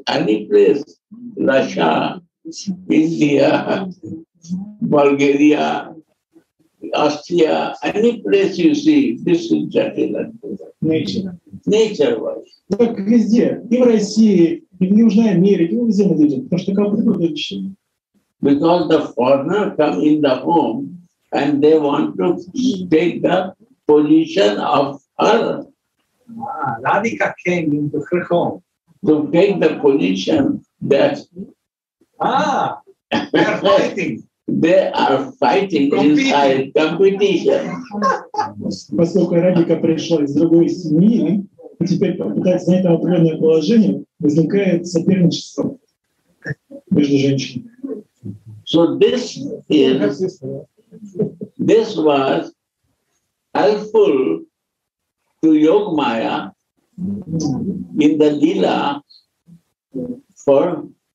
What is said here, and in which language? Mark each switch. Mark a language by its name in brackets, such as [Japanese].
[English] Any place, Russia, India, Bulgaria, Austria, any place you see, this is Jatil. Nature. Nature-wise. [Russian] Так везде, и в России, и в Южной Америке, везде мы видим, потому что как природа вещи. [English] Because the foreigner come in the home and they want to take the position of her. Radhika came into her home. To take the position that they are fighting. They are fighting inside competition. [Russian] Поскольку Радика пришла из другой семьи, и теперь попытается найти определенное положение, возникает соперничество между женщинами. So this was helpful to Yogmaya in the Lila for